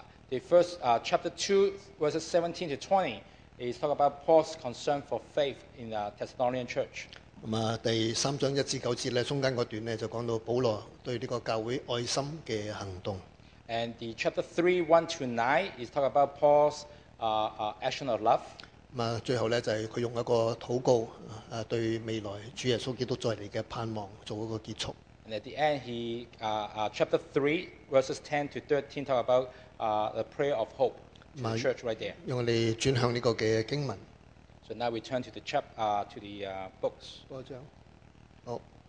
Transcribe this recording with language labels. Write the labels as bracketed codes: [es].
[en] The first chapter 2 verses 17 to 20 is talk about Paul's concern for faith in the Thessalonian church. [yue] 第三章一至九節中間嗰段咧就講到保羅對呢個教會愛心嘅行動。 [en] And the chapter 3:1-9 is talk about Paul's action of love。 [yue] 最後咧就係佢用一個禱告對未來主耶穌基督再嚟嘅盼望做一個結束。 [en] And at the end, chapter 3:10-13 talk about the prayer of hope to the church right there。 [yue] 用嚟轉向呢個嘅經文。 [en] So now we turn to the books. [yue] 多謝。好。